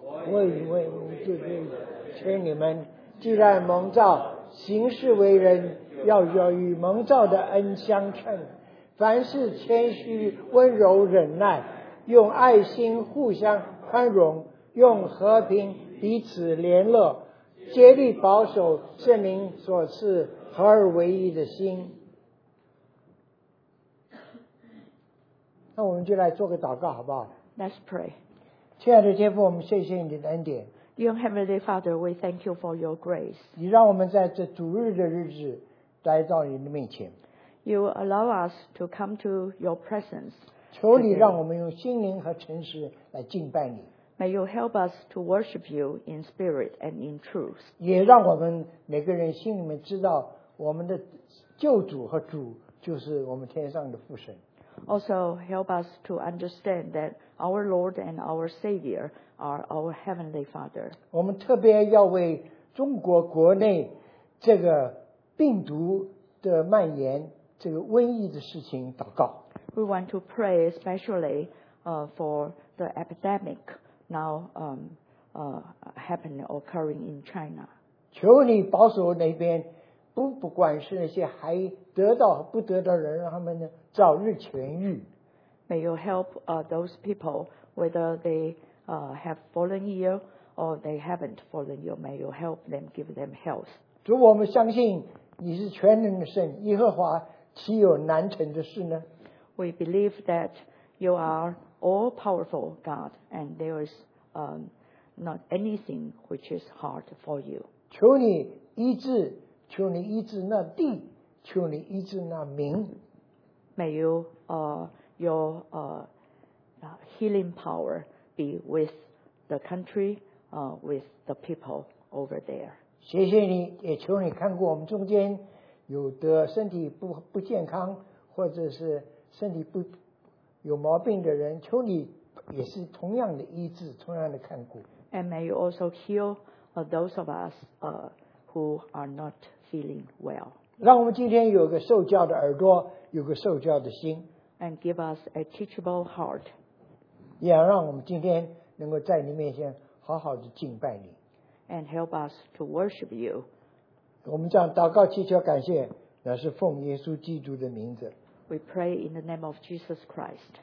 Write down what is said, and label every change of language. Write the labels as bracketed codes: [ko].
[zh] 我以为你就是劝你们，既然蒙召行事为人，要与蒙召的恩相称，凡事谦虚温柔忍耐，用爱心互相宽容，用和平彼此联络，竭力保守圣灵所赐合而为一的心。那我们就来做个祷告好不好？ [en] Let's pray. [zh] 亲爱的天父，我们谢谢你的恩典。 [en] Dear Heavenly Father, we thank you for your grace. [zh] 你让我们在这主日的日子来到你的面前。 [en] You allow us to come to your presence. [zh] 求你让我们用心灵和诚实来敬拜你。 [en] May you help us to worship you in spirit and in truth. [zh] 也让我们每个人心里面知道，我们的救主和主就是我们天上的父神。 [en] Also help us to understand that our Lord and our Savior are our Heavenly Father. [zh] 我们特别要为中国国内这个病毒的蔓延，这个瘟疫的事情祷告。 [en] We want to pray especially for the epidemic now happening occurring in China. [zh] 求你保守那边，不管是那些还得到不得到的人，让他们呢早日痊愈。 [en] May you help those people, whether they have fallen ill or they haven't fallen ill. May you help them, give them health. [zh] 主，我们相信你是全能的神，耶和华岂有难成的事呢？ [en] We believe that you are all-powerful God, and there is not anything which is hard for you. [zh] 求你医治，求你医治那地，求你医治那民。 [en] May you, your healing power be with the country, with the people over there. [zh] 谢谢你，也求你看过我们中间有得身体不健康，或者是身体不有毛病的人，求你也是同样的医治，同样的看顾。 [en] And may you also heal those of us who are not feeling well. [zh] 让我们今天有个受教的耳朵，有个受教的心。 [en] And give us a teachable heart. [zh] 也让我们今天能够在你面前好好的敬拜你。 [en] And help us to worship you. [zh] 我们这样祷告祈求感谢，乃是奉耶稣基督的名字。 [en] We pray in the name of Jesus Christ.